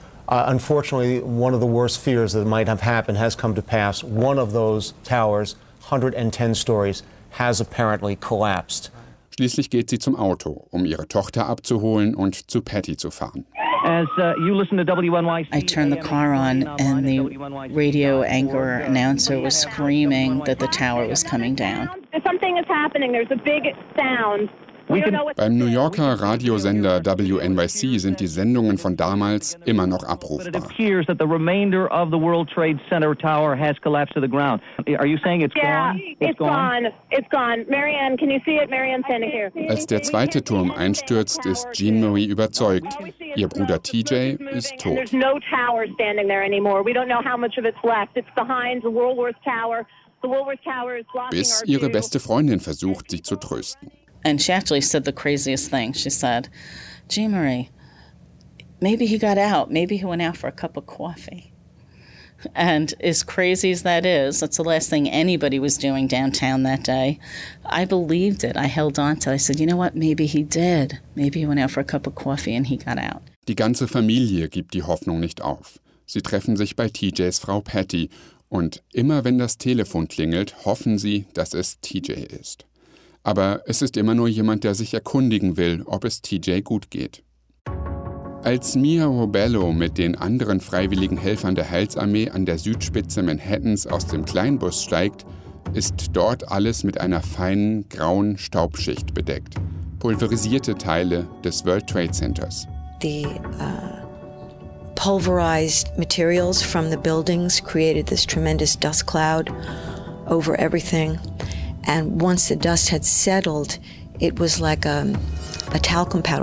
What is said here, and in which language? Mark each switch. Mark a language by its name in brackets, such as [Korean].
[English] Unfortunately, one of the worst fears that might have happened has come to pass. One of those towers, 110 stories, has apparently collapsed. [German] Schließlich geht sie zum Auto, um ihre Tochter abzuholen und zu Patty zu fahren. [English] As you listen to WNYC, I turn the car on and the radio anchor announcer was screaming that the tower was coming down. Something is happening. There's a big sound. [German] Beim New Yorker Radiosender WNYC sind die Sendungen von damals immer noch abrufbar. [English] It appears that the remainder of the World Trade Center Tower has collapsed to the ground. Are you saying it's gone? It's gone. Marianne, can you see it? Marianne standing here. [German] Als der zweite Turm einstürzt, ist Jean Marie überzeugt. Ihr Bruder TJ ist tot. [English] There's no tower standing there anymore. We don't know how much of it's left. It's behind the Woolworth Tower. The Woolworth Tower is blocking our view. [German] Bis ihre beste Freundin versucht, sie zu trösten. [English] And she actually said the craziest thing. She said, Jean Marie, maybe he got out. Maybe he went out for a cup of coffee. And as crazy as that is, that's the last thing anybody was doing downtown that day. I believed it. I held on to it. I said, you know what? Maybe he did. Maybe he went out for a cup of coffee and he got out. [German] Die ganze Familie gibt die Hoffnung nicht auf. Sie treffen sich bei TJs Frau Patty. Und immer wenn das Telefon klingelt, hoffen sie, dass es TJ ist. Aber es ist immer nur jemand, der sich erkundigen will, ob es TJ gut geht. Als Mia Robello mit den anderen freiwilligen Helfern der Heilsarmee an der Südspitze Manhattans aus dem Kleinbus steigt, ist dort alles mit einer feinen, grauen Staubschicht bedeckt. Pulverisierte Teile des World Trade Centers. Die [English] pulverized materials from the buildings created this tremendous dust cloud over everything. And once the dust had settled, it was like a talcum powder.